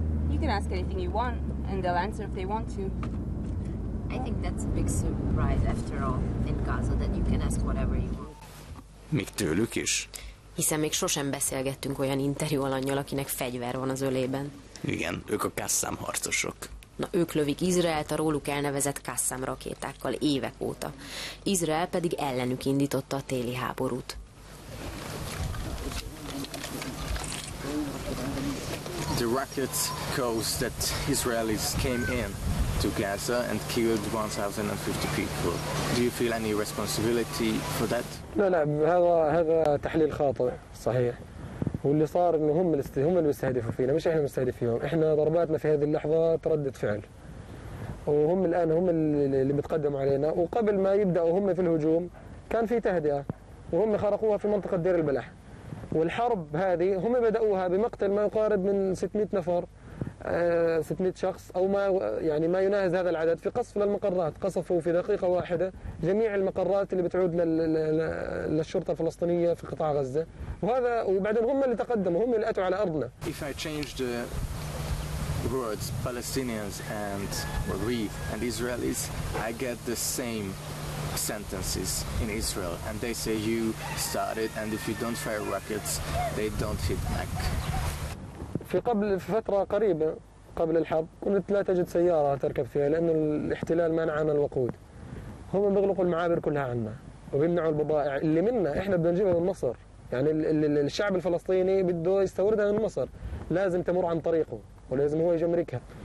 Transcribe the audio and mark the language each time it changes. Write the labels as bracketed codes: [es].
[en] You can ask anything you want, and they'll answer if they want to. I think that's a big surprise, after all, in Gaza, that you can ask whatever you want. [hu] Még tőlük is? Hiszen még sosem beszélgettünk olyan interjú alannyal, akinek fegyver van az ölében. Igen, ők a Kasszám harcosok. Na, ők lövik Izraelt a róluk elnevezett Kasszám rakétákkal évek óta. Izrael pedig ellenük indította a téli háborút. [en] The rocket goes that Israelis came in to Gaza and killed 1,050 people. Do you feel any responsibility for that? [ar] نعم هذا تحليل خاطئ صحيح. واللي صار انه هم اللي مستهدفوا فينا مش احنا مستهدفيهم احنا ضرباتنا في هذه اللحظه تردد فعل وهم الان هم اللي متقدموا علينا وقبل ما يبداوا هم في الهجوم كان في تهدئه وهم خرقوها في منطقه دير البلح والحرب هذه هم بداوها بمقتل ما يقارب من 600 نفر 600 شخص او ما يعني ما يناهز هذا العدد في قصف للمقرات قصفوا في دقيقه واحده جميع المقرات اللي بتعود للشرطه الفلسطينيه في قطاع غزه وهذا وبعدين هم اللي تقدموا هم اللي اتوا على ارضنا [en] If I change the words Palestinians and we and Israelis I get the same sentences in Israel and they say you started and if you don't fire rockets they don't hit back [ar] في قبل فترة قريبة قبل الحرب كنت لا تجد سيارة تركب فيها لأن الاحتلال منعنا الوقود هم بيغلقوا المعابر كلها عنا وبيمنعوا البضائع اللي منا احنا بدنا نجيبها من مصر يعني الشعب الفلسطيني بده يستوردها من مصر لازم تمر عن طريقه ولازم هو يجمركها